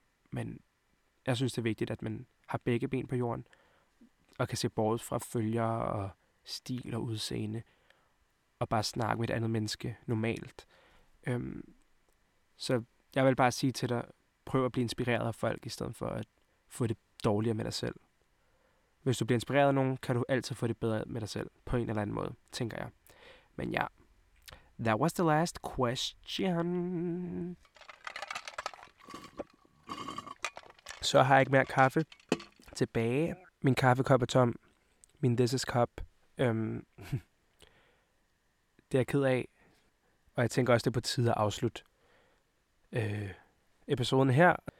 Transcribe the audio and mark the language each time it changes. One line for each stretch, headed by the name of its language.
Danish: Men jeg synes, det er vigtigt, at man har begge ben på jorden, og kan se bort fra følgere og stil og udseende, og bare snakke med et andet menneske normalt. Så Jeg vil bare sige til dig, prøv at blive inspireret af folk, i stedet for at få det dårligere med dig selv. Hvis du bliver inspireret af nogen, kan du altid få det bedre med dig selv, på en eller anden måde, tænker jeg. Men ja,
English: that was the last question.
Danish: Så har jeg ikke mere kaffe tilbage. Min kaffekop er tom. Min
English: this is cup.
Danish: Det er jeg ked af. Og jeg tænker også, det er på tide at afslutte episoden her.